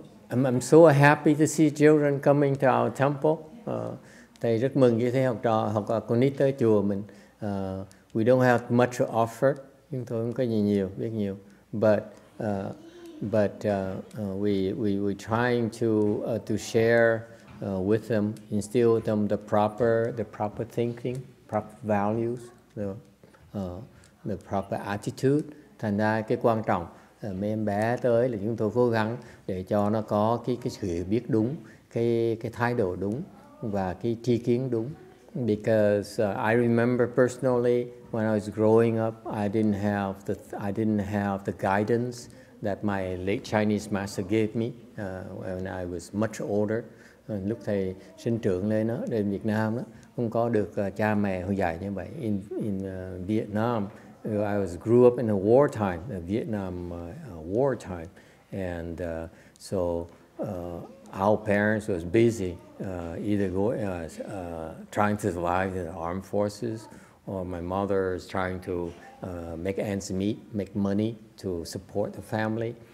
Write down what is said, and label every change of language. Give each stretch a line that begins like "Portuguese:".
English: I'm so happy to see children coming to our temple.
Vietnamese: Thầy rất mừng khi thấy học trò học con nít tới chùa mình.
English: We don't have much to offer,
Vietnamese: nhưng thôi không có gì nhiều, biết nhiều.
English: But we're trying to share with them, instill them the proper thinking, proper values, the proper attitude.
Vietnamese: Thành ra cái quan trọng mấy em bé tới là chúng tôi cố gắng để cho nó có cái sự hiểu biết đúng, cái thái độ đúng và cái tri kiến đúng.
English: Because I remember personally when I was growing up, I didn't have the guidance that my late Chinese master gave me when I was much older.
Vietnamese: Lúc thầy sinh trưởng lên đó, đến Việt Nam đó, không có được cha mẹ hướng dạy như vậy.
English: In Vietnam, I was grew up in a wartime, a Vietnam wartime, and so our parents was busy either trying to survive in the armed forces, or my mother is trying to make ends meet, make money to support the family.